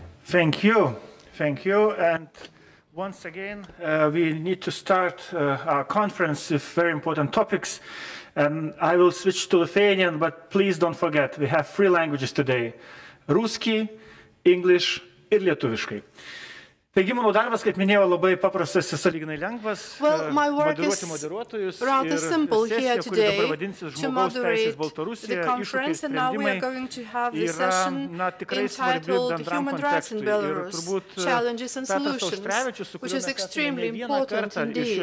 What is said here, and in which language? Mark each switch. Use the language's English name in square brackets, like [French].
[English] Thank you. And once again, we need to start our conference with very important topics. And I will switch to Lithuanian, but please don't forget, we have three languages today. [Lithuanian] Ruski, English, ir lietuviškai. Taigi, mano darbas, kaip minėjau, labai paprastas ir sąlyginai lengvas. [English] Well, my work is rather simple here today to moderate the conference, and now we are going to have the session entitled Human Rights in Belarus, Challenges and Solutions, which is extremely important indeed.